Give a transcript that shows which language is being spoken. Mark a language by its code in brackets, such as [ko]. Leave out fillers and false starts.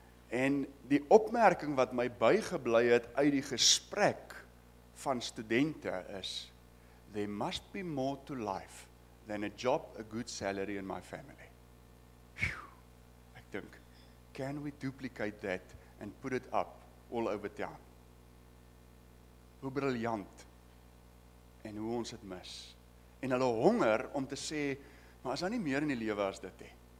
[af] En die opmerking wat my bygebly het uit die gesprek van studente is, [en] there must be more to life than a job, a good salary and my family. [af] Phew. Ek dink, [en] can we duplicate that and put it up all over town? [af] Hoe briljant en hoe ons het mis. En hulle honger om te sê, maar is daar nie meer in die lewe as dit hè?